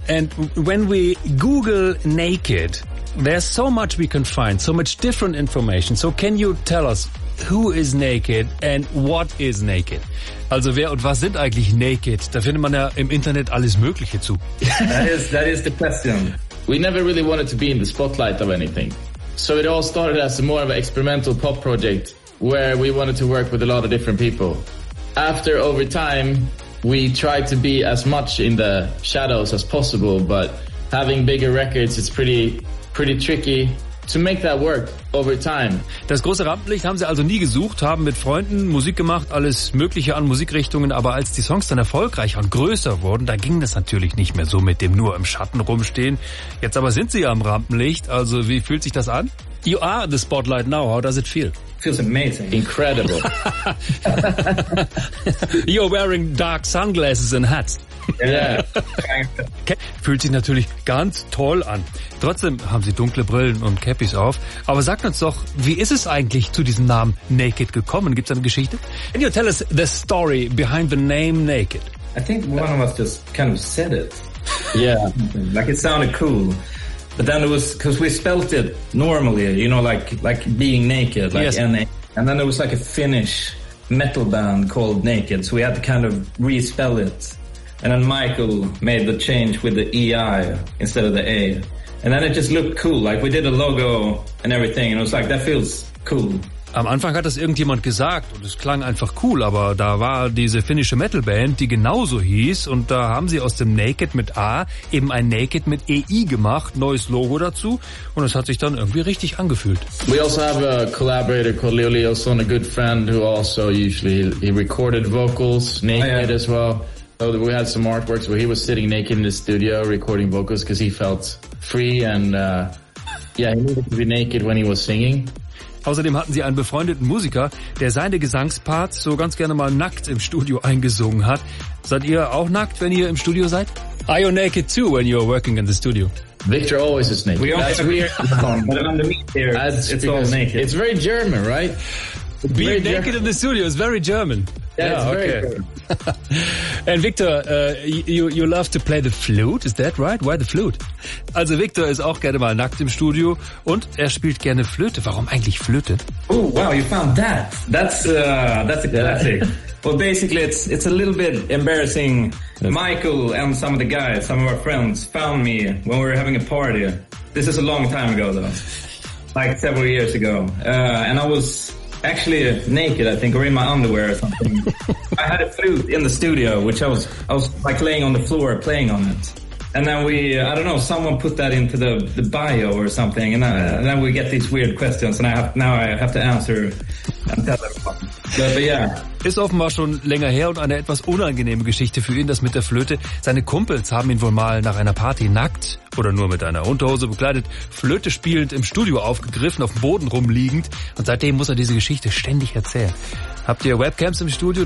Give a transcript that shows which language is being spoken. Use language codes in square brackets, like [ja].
[en] And when we Google Naked, there's so much we can find, so much different information. So can you tell us who is Naked and what is Naked? [de] Also wer und was sind eigentlich Naked? Da findet man ja im Internet alles Mögliche zu. [en] That is the question. We never really wanted to be in the spotlight of anything. So it all started as more of an experimental pop project where we wanted to work with a lot of different people. After, over time, we tried to be as much in the shadows as possible, but having bigger records, it's pretty tricky to make that work over time. [de] Das große Rampenlicht haben sie also nie gesucht, haben mit Freunden Musik gemacht, alles Mögliche an Musikrichtungen. Aber als die Songs dann erfolgreicher und größer wurden, da ging das natürlich nicht mehr so mit dem nur im Schatten rumstehen. Jetzt aber sind sie ja am Rampenlicht. Also wie fühlt sich das an? [en] You are the spotlight now. How does it feel? Feels amazing. Incredible. You're wearing dark sunglasses and hats. Yeah. [de] Fühlt sich natürlich ganz toll an. Trotzdem haben sie dunkle Brillen und Cappies auf. Aber sagt uns doch, wie ist es eigentlich zu diesem Namen Naked gekommen? Gibt es eine Geschichte? [en] Can you tell us the story behind the name Naked? I think one of us just kind of said it. Yeah. Like it sounded cool. But then it was, because we spelt it normally, you know, like being naked. Like yes. And then there was like a Finnish metal band called Naked. So we had to kind of re-spell it. And then Michael made the change with the EI instead of the A. And then it just looked cool. Like we did a logo and everything. And it was like, that feels cool. [de] Am Anfang hat das irgendjemand gesagt und es klang einfach cool, aber da war diese finnische Metalband, die genauso hieß, und da haben sie aus dem Naked mit A eben ein Naked mit EI gemacht, neues Logo dazu, und es hat sich dann irgendwie richtig angefühlt. [en] We also have a collaborator called Leo Leoson, a good friend who also usually he recorded vocals Naked oh, yeah. as well. So we had some artworks where he was sitting naked in the studio recording vocals because he felt free and he needed to be naked when he was singing. [de] Außerdem hatten sie einen befreundeten Musiker, der seine Gesangsparts so ganz gerne mal nackt im Studio eingesungen hat. Seid ihr auch nackt, wenn ihr im Studio seid? [en] Are you naked too when you're working in the studio? Victor always is naked. We all have weird songs. It's all naked. It's very German, right? Being naked in the studio is very German. Yeah, okay. Very German. And Victor, you love to play the flute, is that right? Why the flute? [de] Also Victor ist auch gerne mal nackt im Studio und er spielt gerne Flöte. Warum eigentlich Flöte? [en] Oh, wow, you found that. That's a classic. Well, basically, it's a little bit embarrassing. Michael and some of the guys, some of our friends, found me when we were having a party. This is a long time ago, though. Like several years ago. And I was actually naked, I think, or in my underwear or something. I had a flute in the studio, which I was like laying on the floor playing on it. And then someone put that into the bio or something, and then we get these weird questions, and I have to answer and tell everyone. But yeah. [de] Ist offenbar schon länger her und eine etwas unangenehme Geschichte für ihn, das mit der Flöte. Seine Kumpels haben ihn wohl mal nach einer Party nackt oder nur mit einer Unterhose bekleidet, Flöte spielend im Studio aufgegriffen, auf dem Boden rumliegend. Und seitdem muss er diese Geschichte ständig erzählen. Habt ihr Webcams im Studio?